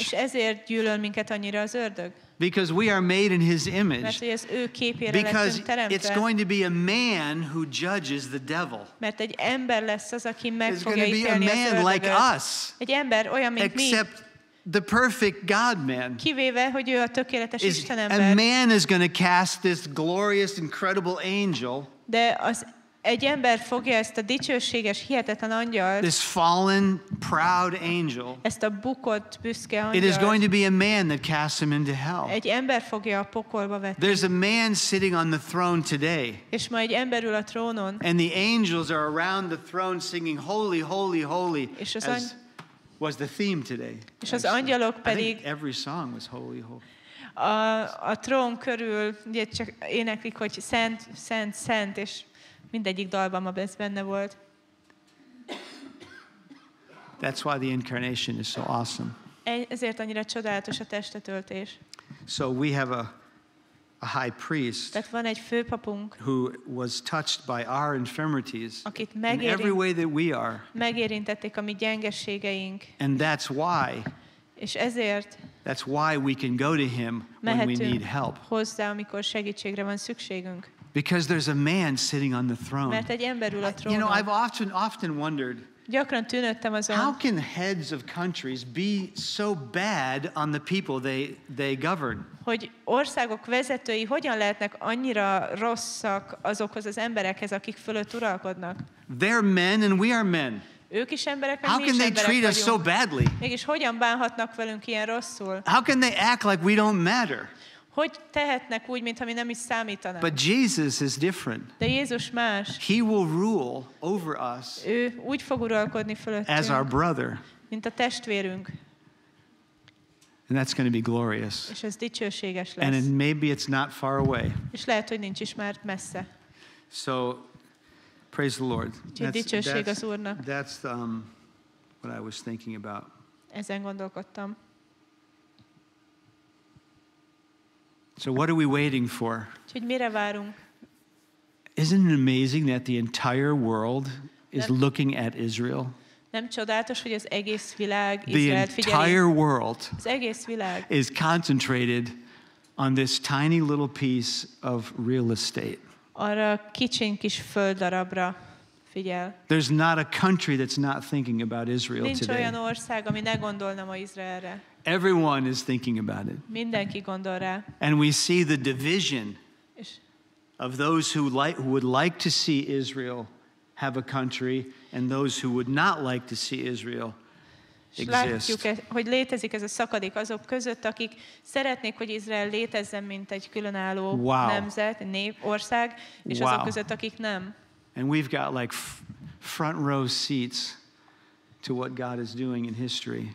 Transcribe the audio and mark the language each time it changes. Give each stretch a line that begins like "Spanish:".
Hungarian: És ezért gyűlöl minket annyira az ördög.
English: Because we are made in his image.
Hungarian: Mert, hogy az ő képére
English: because
Hungarian: lettünk teremtve.
English: It's going to be a man who judges the devil.
Hungarian: Mert egy ember lesz az, aki meg
English: it's
Hungarian: fogja
English: going to be a man like us.
Hungarian: Egy ember, olyan, mint
English: except
Hungarian: mi.
English: The perfect God-man.
Hungarian: Kivéve, hogy ő a tökéletes Istenember.
English: A man is going to cast this glorious, incredible angel.
Hungarian: De az egy ember fogja ezt a dicsőséges, hihetetlen angyalt.
English: This fallen, proud angel.
Hungarian: Ezt a bukott, büszke angyalt.
English: It is going to be a man that casts him into hell.
Hungarian: Egy ember fogja a pokolba vetni.
English: There's a man sitting on the throne today.
Hungarian: És ma egy ember ül a trónon.
English: And the angels are around the throne singing, holy, holy, holy.
Hungarian: És az angyalok
English: was the theme today.
Hungarian: És az angyalok pedig.
English: I think every song was holy, holy.
Hungarian: A trón körül ugye csak éneklik, hogy szent, szent, szent, és mindegyik dalban ma ez benne volt.
English: That's why the incarnation is so awesome.
Hungarian: Ezért annyira csodálatos a testetöltés.
English: So we have a high priest who was touched by our infirmities in every way that we are.
Hungarian: Megérintették a mi gyengeségeink.
English: And that's why.
Hungarian: És ezért.
English: That's why we can go to him when we need help.
Hungarian: Hozzá, amikor segítségre van szükségünk.
English: Because there's a man sitting on the throne.
Hungarian: Mert egy ember ül a trónon.
English: You know, I've often wondered.
Hungarian: Gyakran tűnődtem azon.
English: How can heads of countries be so bad on the people they govern?
Hungarian: Hogy országok vezetői hogyan lehetnek annyira rosszak azokhoz az emberekhez, akik fölött uralkodnak?
English: They're men and we are men.
Hungarian: Ők is emberek,
English: how can they treat
Hungarian: vagyunk.
English: Us so badly?
Hungarian: Mégis hogyan bánhatnak velünk ilyen rosszul?
English: How can they act like we don't matter?
Hungarian: Hogy tehetnek úgy, mintha mi nem is számítanak?
English: But Jesus is different.
Hungarian: De Jézus más.
English: He will rule over us.
Hungarian: Ő úgy fog uralkodni fölöttünk.
English: As our brother.
Hungarian: Mint a testvérünk.
English: And that's going to be glorious.
Hungarian: És ez dicsőséges lesz.
English: And maybe it's not far away.
Hungarian: És lehet, hogy nincs is már messze.
English: So praise the Lord.
Hungarian: Dicsőség az Úrnak.
English: That's what I was thinking about.
Hungarian: Ezen gondolkodtam.
English: So what are we waiting for?
Hungarian: Úgyhogy mire várunk?
English: Isn't it amazing that the entire world is looking at Israel?
Hungarian: Nem csodálatos, hogy az egész világ Izraelt figyeli?
English: The entire world
Hungarian: az egész világ
English: is concentrated on this tiny little piece of real estate.
Hungarian: Arra kicsi kis földdarabra figyel.
English: There's not a country that's not thinking about Israel
Hungarian: nincs
English: today.
Hungarian: Nincs olyan ország, ami ne gondolna ma Izraelre.
English: Everyone is thinking about it.
Hungarian: Mindenki gondol rá.
English: And we see the division of those who would like to see Israel have a country and those who would not like to see Israel exist.
Hungarian: Látjuk, hogy létezik ez a szakadék azok között, akik szeretnék, hogy Izrael létezzen, mint egy különálló nemzet, nép, ország, és azok között, akik nem.
English: And we've got like front row seats to what God is doing in history.